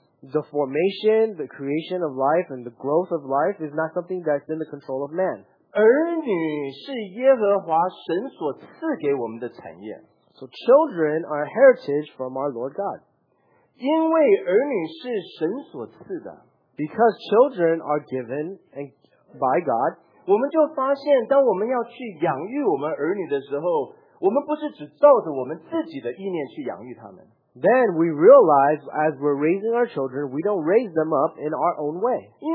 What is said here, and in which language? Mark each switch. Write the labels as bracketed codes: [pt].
[en] The formation, the creation of life, and the growth of life is not something that's in the control of man. [zh] 儿女是耶和华神所赐给我们的产业。 [en] So children are a heritage from our Lord God. [zh] 因为儿女是神所赐的。 [en] Because children are given by God, [zh] 我们就发现当我们要去养育我们儿女的时候，我们不是只照着我们自己的意念去养育他们。 [en] Then we realize as we're raising our children, we don't raise them up in our own way.